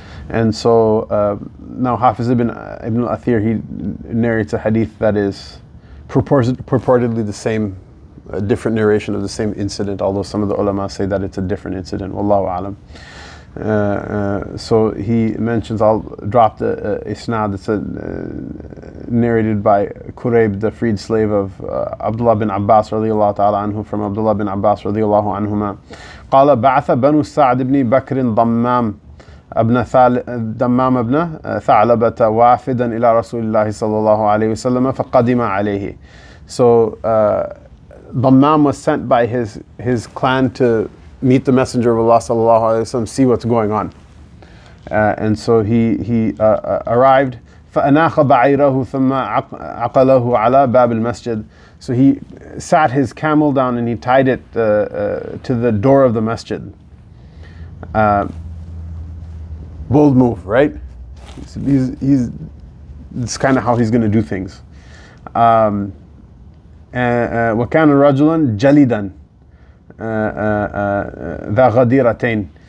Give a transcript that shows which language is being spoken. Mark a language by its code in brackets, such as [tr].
[en] And so now Hafiz ibn al-Athir, he narrates a hadith that is purportedly the same, a different narration of the same incident, although some of the ulama say that it's a different incident. Wallahu alam. So he mentions, I'll drop the isnad, it's narrated by Quraib, the freed slave of Abdullah bin Abbas radiallahu ta'ala anhu, from Abdullah bin Abbas radiallahu anhumah. [ar] قال بعث بنو سعد بن بكر ضمام ابن دمام ابن ثعلبة وافدا إلى رسول الله صلى الله عليه وسلم فقدم عليه. [en] So Dammam was sent by his clan to meet the Messenger of Allah sallallahu alaihi wasallam, see what's going on. And so he arrived. [ar] فَأَنَاخَ بَعِيرَهُ ثُمَّ عَقَلَهُ عَلَى بَابِ الْمَسْجِدِ. [en] So he sat his camel down and he tied it to the door of the masjid. Bold move, right? He's it's kind of how he's going to do things. [ar] وَكَانَ رَجُلًا جَلِدًا ذَا غَدِيرَتَيْنِ.